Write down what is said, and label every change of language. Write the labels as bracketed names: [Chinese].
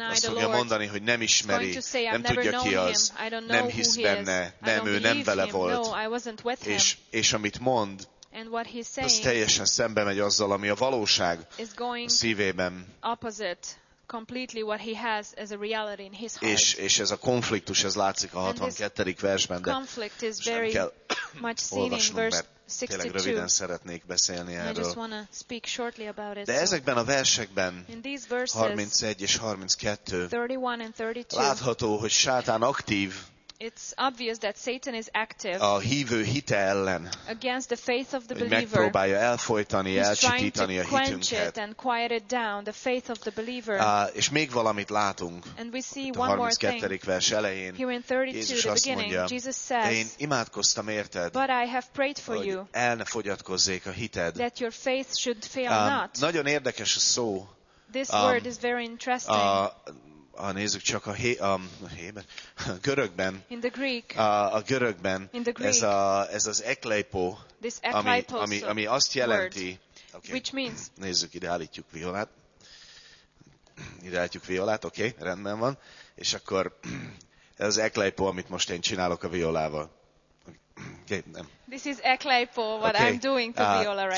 [Hungarian] Azt fogja mondani, hogy nem ismeri, nem tudja ki az, nem hisz benne, nem, ő nem vele volt. És amit mond, az teljesen szembe megy azzal, ami a valóság szívében. [English] Completely what he has as a reality in his heart. [Hungarian] És ez a konfliktus, ez látszik a 62. versben, de [English] conflict is very much seen in verse 62. [Hungarian] Tényleg röviden szeretnék beszélni erről. [English] I just want to speak shortly about it. [Hungarian] De ezekben a versekben, 31 és 32, látható, hogy Sátán aktív. [English] It's obvious that Satan is active. [Hungarian] A hívő hite ellen. [English] Against the faith of the believer. [Hungarian] Megpróbálja elfojtani, elcsitítani a hitünket. [English] He's trying to quench it and quiet it down, the faith of the believer. [Hungarian] És még valamit látunk. [English] And we see one more thing. [Hungarian] 32. vers elején. [English] Here in 32, [Hungarian] Jézus [English] the beginning, [Hungarian] mondja, [English] Jesus says, [Hungarian] én imádkoztam érted. [English] But I have prayed for you. [Hungarian] El ne fogyatkozzék a hited. [English] That your faith should fail not. [Hungarian] Nagyon érdekes a szó. [English] This word is very interesting. [Hungarian] Nézzük csak a görögben. [English] In the Greek, [Hungarian] a görögben [English] in the Greek, [Hungarian] ez az ekleipo, ami azt jelenti, [English] word, okay, which means, [Hungarian] nézzük, ide állítjuk Violát, oké, okay, rendben van, és akkor ez az ekleipo, amit most én csinálok a Violával. Okay, nem. [English] This is ekleipo, what okay, I'm doing to Viola right